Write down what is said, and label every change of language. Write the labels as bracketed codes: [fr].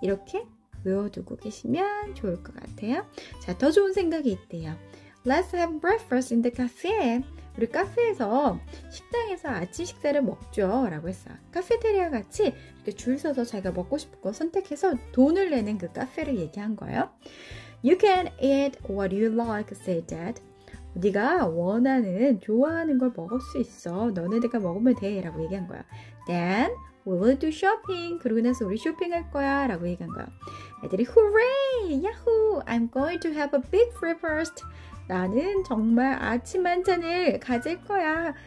[ko] 이렇게 외워두고 계시면 좋을 것 같아요. 자, 더 좋은 생각이 있대요. [en] Let's have breakfast in the cafe. [ko] 우리 카페에서, 식당에서 아침 식사를 먹죠. 라고 했어요. 카페테리아 같이 이렇게 줄 서서 자기가 먹고 싶은 거 선택해서 돈을 내는 그 카페를 얘기한 거예요. [en] You can eat what you like, said Dad. [ko] 네가 원하는, 좋아하는 걸 먹을 수 있어. 너네들과 먹으면 돼. 라고 얘기한 거야. [en] Then we will do shopping. [ko] 그러고 나서 우리 쇼핑할 거야. 라고 얘기한 거야. 애들이 후레이! 야호! [en] I'm going to have a big breakfast. [ko] 나는 정말 아침 만찬을 가질 거야.